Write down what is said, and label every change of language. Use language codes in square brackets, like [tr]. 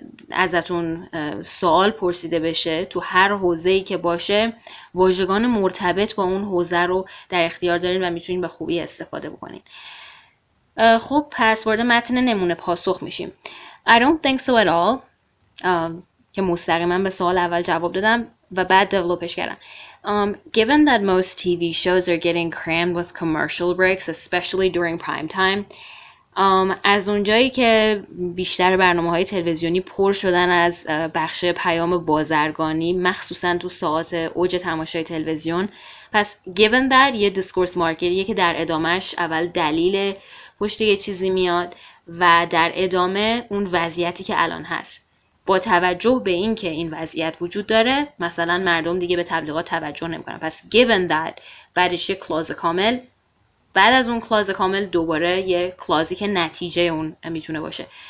[fa] ازتون سوال پرسیده بشه تو هر حوزه‌ای که باشه، واژگان مرتبط با اون حوزه رو در اختیار دارین و میتونین به خوبی استفاده بکنین. خب پس وارد متن نمونه پاسخ میشیم. [en] I don't think so at all. [fa] که مستقیما به سوال اول جواب دادم و بعد دیولپش کردم. [en] Given that most TV shows are getting crammed with commercial breaks, especially during prime time. [fa] از اونجایی که بیشتر برنامه‌های تلویزیونی پر شدن از بخش پیام بازرگانی مخصوصا تو ساعات اوج تماشای تلویزیون، پس given that یه دیسکورس مارکریه که در ادامهش اول دلیل پشت یه چیزی میاد و در ادامه اون وضعیتی که الان هست، با توجه به این که این وضعیت وجود داره مثلا مردم دیگه به تبلیغات توجه نمی‌کنن، پس given that بعدش یه کلاز کامل، بعد از اون کلاز کامل دوباره یه کلازی که نتیجه اون میتونه باشه.